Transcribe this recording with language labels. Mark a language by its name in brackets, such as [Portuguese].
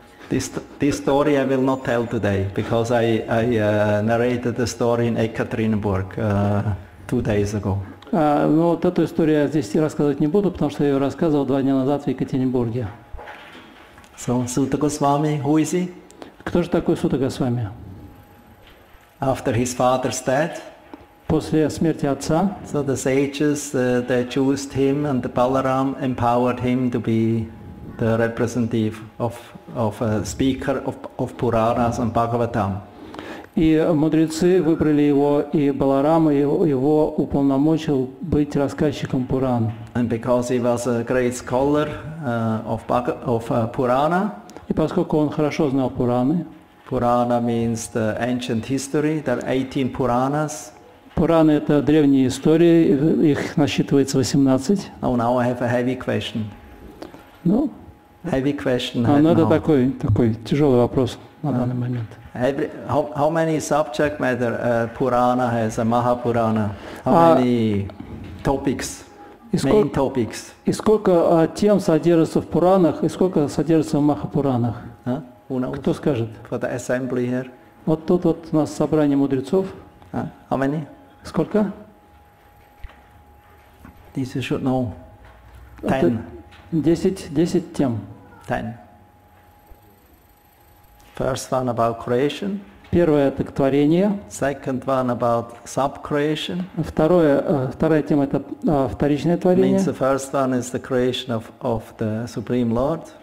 [English] This story I will not tell today, because I narrated the story in Ekaterinburg 2 days ago. [Russian] Ну вот эту историю я здесь рассказывать не буду, потому что я ее рассказывал 2 дня назад в Екатеринбурге. [English] So, Сута Госвами, who is he? [Russian] Кто же такой Сута Госвами? [English] After his father's death. [Russian] После смерти отца. [English] So the sages they chose him and the Balaram empowered him to be the representative of a speaker of Puranas and Bhagavatam. [Russian] И мудрецы выбрали его, и Баларама его уполномочил быть рассказчиком Пуран. [English] And because he was a great scholar of Purana. [Russian] И поскольку он хорошо знал Пураны. [English] Purana means the ancient history. There are 18 Puranas. [Russian] Пураны – это древние истории, их насчитывается 18. [English] Oh, now I have a heavy question. No? Heavy question. [Russian] А ну это такой тяжелый вопрос на данный момент. [English] How many subject matter Purana has, a Mahapurana? How many topics, main topics? [Russian] И сколько тем содержится в Пуранах, и сколько содержится в Махапуранах? Кто скажет? [English] For the assembly here. [Russian] Вот тут вот у нас собрание мудрецов. [English] How many? [Russian] Сколько? [English] This you should know. 10. [Russian] 10 тем. 10. [English] First one about creation. [Russian] Первое – это творение. [English] Second one about sub-creation. [Russian] Вторая тема – это вторичное творение. [English] Means the first one is the creation of the Supreme Lord.